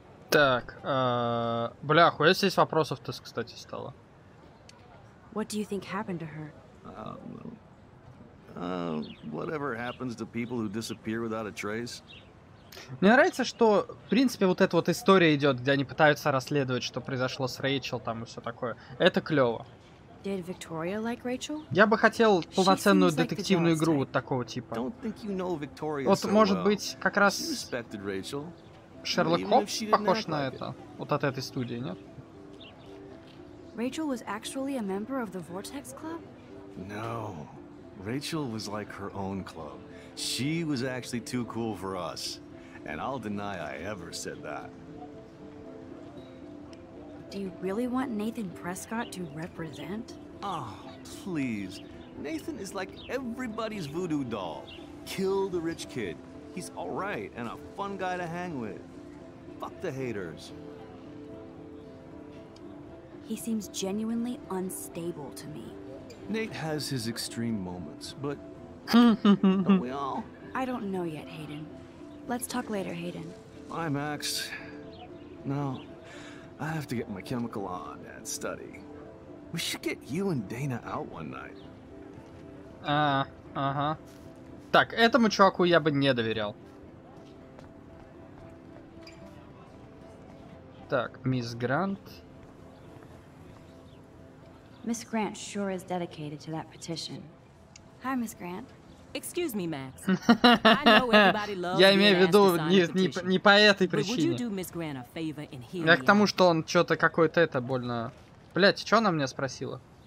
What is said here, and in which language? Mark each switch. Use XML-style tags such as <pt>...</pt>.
<ru>Так, бля, хуя здесь вопросов-то, кстати, стало.</ru> <en>What do you think happened to her? Whatever happens to people who disappear without a trace.</en> <ru>Мне нравится, что, в принципе, вот эта вот история идет, где они пытаются расследовать, что произошло с Рэйчел там и все такое. Это клево.</ru> <en>Did Victoria like Rachel?</en> <ru>Я бы хотел полноценную детективную игру вот такого типа.</ru> <en>Don't think you know Victoria</en> <ru>вот,</ru> <en>so well.</en> <ru>Может быть, как раз...</ru> <en>She respected Rachel.</en> <ru>Шерлок Холмс похож на это. Вот от этой студии, нет?</ru> <en>Rachel was actually a member of the Vortex Club? No. Rachel was like her own club. She was actually too cool for us. and I'll deny I ever said that. Do you really want Nathan Prescott to represent? Oh, please. Nathan is like everybody's voodoo doll. Kill the rich kid. He's all right and a fun guy to hang with. Fuck the haters. He seems genuinely unstable to me. Nate has his extreme moments, but... Don't we all? I don't know yet, Hayden. Let's talk later, Hayden. Hi, Max. No, I have to get my chemical on and study. We should get you and Dana out one night.</en> <ru>Ага. Так, этому чуваку я бы не доверял. Так, мисс Грант.</ru> <en>Miss Grant sure is dedicated to that petition. Hi, Miss Grant. Excuse me, Max. I know everybody loves</en> <ru>Я имею в виду не по этой причине. Я к тому, что он что-то какой-то это больно... Блять, что она меня спросила?</ru>